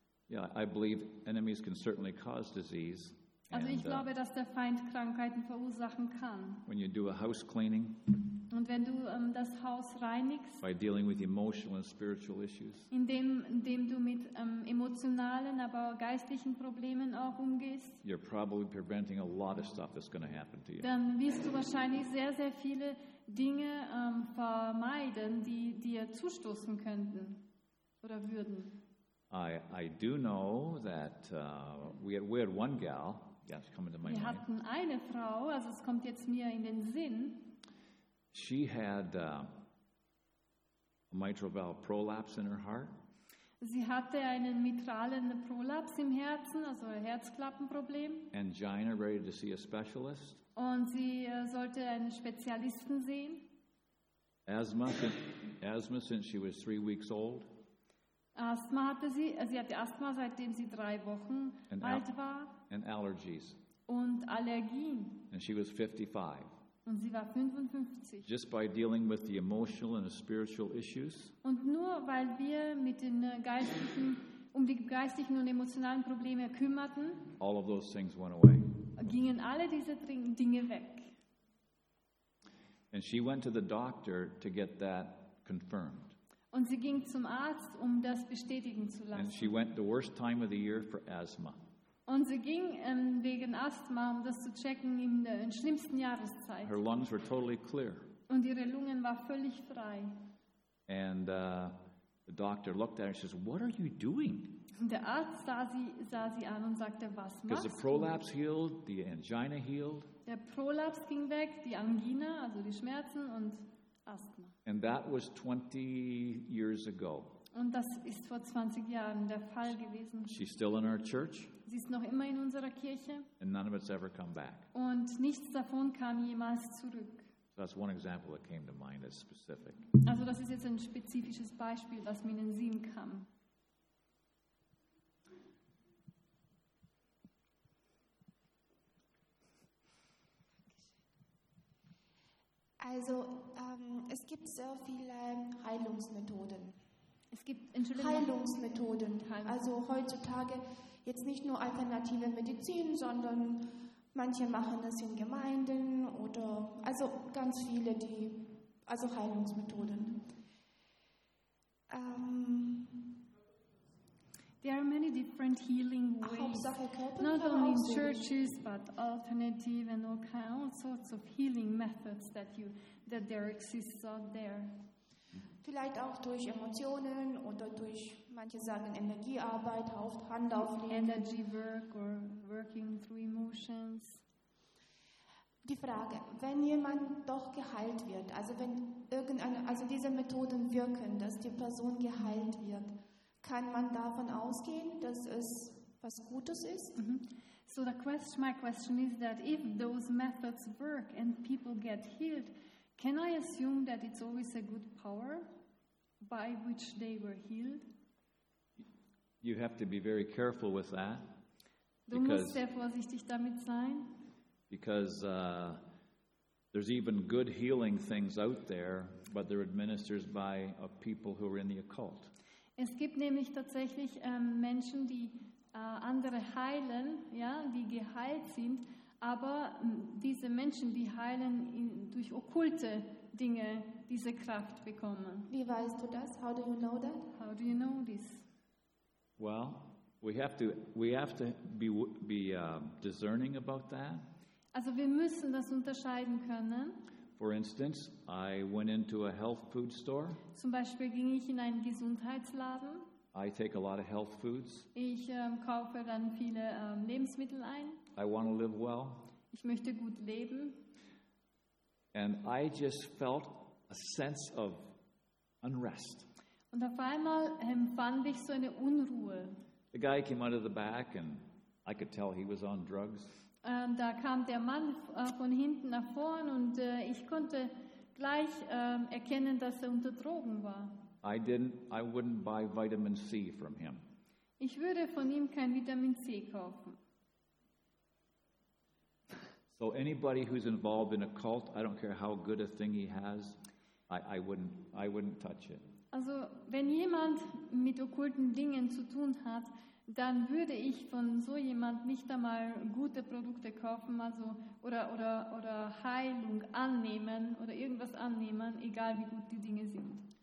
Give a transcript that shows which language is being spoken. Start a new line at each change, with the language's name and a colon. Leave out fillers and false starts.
English: Yeah, I believe enemies can certainly cause disease.
German: Also ich glaube, dass der Feind Krankheiten verursachen kann.
English: When you do a house cleaning,
German: Und wenn du das Haus reinigst,
English: by dealing with emotional and spiritual issues,
German: indem du mit emotionalen, aber geistlichen Problemen auch umgehst,
English: you're probably preventing a lot of stuff that's going to happen to you.
German: Dann wirst du wahrscheinlich sehr, sehr viele Dinge vermeiden, die dir zustoßen könnten oder würden.
English: I do know that we had one gal. Yeah, it's coming to my mind.
German: Wir hatten eine Frau, also es kommt jetzt mir in den Sinn.
English: She had a mitral valve prolapse in her heart.
German: Sie hatte einen mitralen Prolaps im Herzen, also ein Herzklappenproblem.
English: Angina, ready to see a specialist.
German: Und sie sollte einen Spezialisten sehen.
English: Asthma since she was 3 weeks old.
German: Asthma hatte sie. Sie hatte Asthma, seitdem sie 3 Wochen alt war.
English: And allergies.
German: Und Allergien.
English: And she was 55.
German: Und sie war 55.
English: Just by dealing with the emotional and the spiritual issues.
German: Und nur weil wir mit den geistlichen, um die geistlichen und emotionalen Probleme kümmerten,
English: all of those things went away.
German: Gingen alle diese Dinge weg.
English: And she went to the doctor to get that confirmed.
German: Und sie ging zum Arzt, um das bestätigen zu lassen.
English: And she went the worst time of the year for asthma.
German: Und sie ging wegen Asthma, um das zu checken, in der schlimmsten Jahreszeit.
English: Her lungs were totally clear.
German: Und ihre Lungen waren völlig frei.
English: And the doctor looked at her and says, "What are you doing?"
German: Und der Arzt sah sie an und sagte, was machst du?
English: Because the prolapse healed, the angina healed.
German: Der Prolaps ging weg, die Angina, also die Schmerzen und Asthma.
English: And that was 20 years ago.
German: Und das ist vor 20 Jahren der Fall gewesen.
English: She's still in our church.
German: Sie ist noch immer in unserer Kirche.
English: And none of it's ever come back.
German: Und nichts davon kam jemals zurück.
English: So that's one example that came to mind as specific.
German: Also das ist jetzt ein spezifisches Beispiel, das mir in den Sinn kam. Also es gibt sehr viele Heilungsmethoden. Es gibt, Entschuldigung, Heilungsmethoden. Also heutzutage jetzt nicht nur alternative Medizin, sondern manche machen es in Gemeinden oder also ganz viele, die also Heilungsmethoden.
English: There are many different healing ways. Not only in churches, but alternative and all sorts of healing methods that there exists out there.
German: Vielleicht auch durch Emotionen oder durch, manche sagen, Energiearbeit, Hand auflegen.
English: Energy work or working through emotions.
German: Die Frage, wenn jemand doch geheilt wird, also wenn irgendeine, also diese Methoden wirken, dass die Person geheilt wird, kann man davon ausgehen, dass es was Gutes ist?
English: So my question is that if those methods work and people get healed, can I assume that it's always a good power by which they were healed? You have to be very careful with that.
German: Du musst sehr vorsichtig damit sein.
English: Because there's even good healing things out there, but they're administered by people who are in the occult.
German: Es gibt nämlich tatsächlich Menschen, die andere heilen, ja, die geheilt sind. Aber diese Menschen, die heilen, durch okkulte Dinge diese Kraft bekommen. Wie weißt du das?
English: How do you know that? How do you know this? Well, we have to be discerning about that.
German: Also wir müssen das unterscheiden können.
English: For instance, I went into a health food store.
German: Zum Beispiel ging ich in einen Gesundheitsladen.
English: I take a lot of health foods.
German: Ich kaufe dann viele Lebensmittel ein.
English: I want to live well.
German: Ich möchte gut leben.
English: And I just felt a sense of unrest.
German: Und auf einmal empfand ich so eine Unruhe.
English: The guy came out of the back and I could tell he was on drugs.
German: Da kam der Mann von hinten nach vorn und ich konnte gleich erkennen, dass er unter Drogen war.
English: I wouldn't buy vitamin C from him.
German: Ich würde von ihm kein Vitamin C kaufen.
English: So anybody who's involved in a cult, I don't care how good a thing he has, I wouldn't touch it.
German: Also wenn jemand mit okkulten Dingen zu tun hat, dann würde ich von so jemand nicht einmal gute Produkte kaufen, also oder Heilung annehmen oder irgendwas annehmen, egal wie gut die Dinge sind.